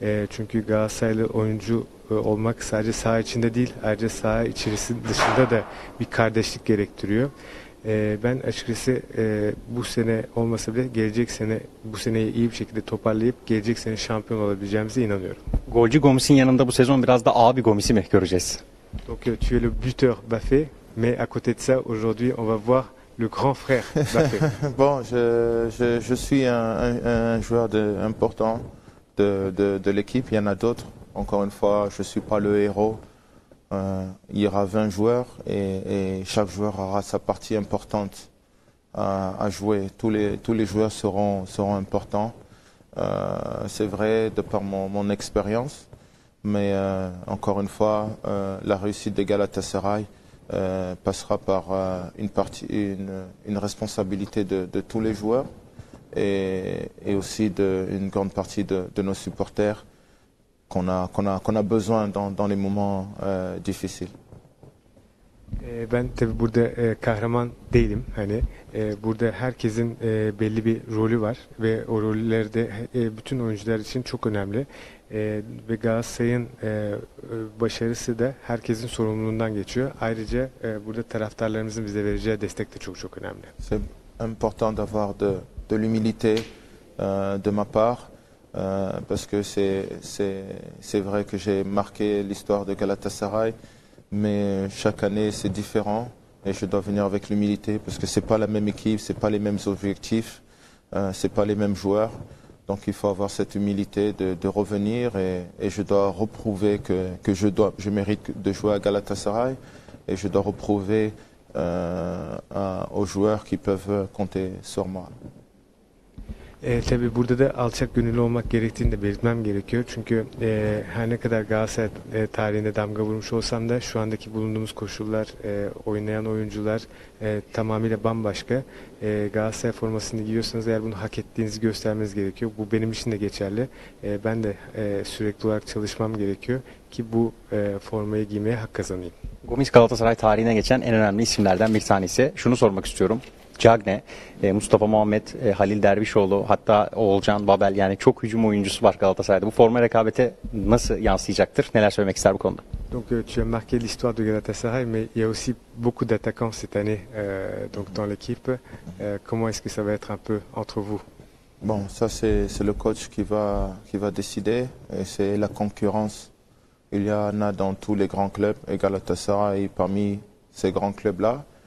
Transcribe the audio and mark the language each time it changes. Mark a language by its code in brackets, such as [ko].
[tr] Çünkü Galatasaraylı oyuncu olmak sadece saha içinde değil, ayrıca saha içerisinde dışında da bir kardeşlik gerektiriyor. Ben açıkçası bu sene olmasa bile gelecek sene, bu seneyi iyi bir şekilde toparlayıp gelecek sene şampiyon olabileceğimize inanıyorum. Golcü Gomis'in yanında bu sezon biraz da abi Gomis'i mi göreceğiz? [fr] Donc tu es le buteur Buffet, mais à côté de ça aujourd'hui on va voir le grand frère Buffet. Bon, je suis un joueur important de l'équipe, il y en a d'autres. Encore une fois, je ne suis pas le héros. Il y aura 20 joueurs et chaque joueur aura sa partie importante à jouer. Tous les joueurs seront importants. C'est vrai de par mon expérience, mais encore une fois, la réussite des Galatasaray passera par une responsabilité de tous les joueurs et aussi d'une grande partie de nos supporters. Qu'on a besoin dans les moments difficiles. [tr] Ben tabii burada kahraman değilim. Hani burada herkesin belli bir rolü var ve o roller de bütün oyuncular için çok önemli. Ve Galatasaray'ın başarısı da herkesin sorumluluğundan geçiyor. Ayrıca burada taraftarlarımızın bize vereceği destek de çok çok önemli. [fr] C'est important d'avoir de l'humilité de ma part. Parce que c'est vrai que j'ai marqué l'histoire de Galatasaray, mais chaque année c'est différent et je dois venir avec l'humilité parce que c'est pas la même équipe, c'est pas les mêmes objectifs, c'est pas les mêmes joueurs. Donc il faut avoir cette humilité de revenir et je dois reprouver que je mérite de jouer à Galatasaray et je dois reprouver aux joueurs qui peuvent compter sur moi. [tr] Tabii burada da alçak gönüllü olmak gerektiğini de belirtmem gerekiyor. Çünkü her ne kadar Galatasaray tarihinde damga vurmuş olsam da şu andaki bulunduğumuz koşullar, oynayan oyuncular tamamıyla bambaşka. Galatasaray formasını giyiyorsanız eğer bunu hak ettiğinizi göstermeniz gerekiyor. Bu benim için de geçerli. Ben de sürekli olarak çalışmam gerekiyor ki bu formayı giymeye hak kazanayım. Gomis Galatasaray tarihine geçen en önemli isimlerden bir tanesi. Şunu sormak istiyorum. Cagne, Mustafa Muhammed, Halil Dervişoğlu, hatta Oğulcan, Babel, yani çok hücum oyuncusu var Galatasaray'da. Bu forma rekabete nasıl yansıyacaktır? Neler söylemek ister bu konuda? [fr] Donc tu as marqué l'histoire de Galatasaray, mais il y a aussi beaucoup d'attaquants cette année donc dans l'équipe. Comment est-ce que ça va être un peu entre vous? Bon, ça c'est le coach qui va décider et c'est la concurrence. Il y en a dans tous les grands clubs et Galatasaray parmi ces grands clubs-là.